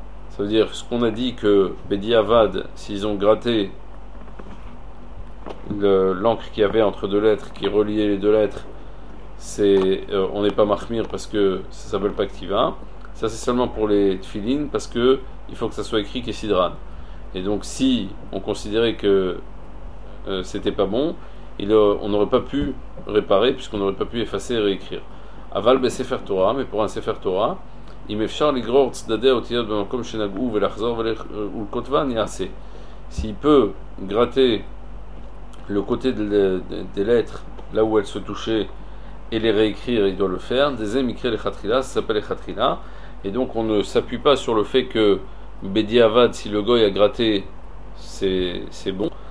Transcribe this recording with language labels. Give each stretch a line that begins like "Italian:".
French: Ça veut dire ce qu'on a dit que Bedi Avad, s'ils ont gratté l'encre qu'il y avait entre deux lettres, qui reliait les deux lettres, on n'est pas marmir parce que ça s'appelle pas ktiva. Ça c'est seulement pour les tfilin parce que il faut que ça soit écrit kesidran. Et donc si on considérait que c'était pas bon, on n'aurait pas pu réparer, puisqu'on n'aurait pas pu effacer et réécrire.
Hebrew: אבל בספר תורה, מפורן ספר תורה, אם אפשר לגרור צדדי האותיות במקום שנגעו ולחזור ולכותבן, יעשה.
French: S'il peut gratter le côté des lettres là où elles se touchaient et les réécrire, il doit le faire. Des émikrés les khatrila, ça s'appelle les khatrila. Et donc on ne s'appuie pas sur le fait que Bediavad, si le goy a gratté, c'est bon.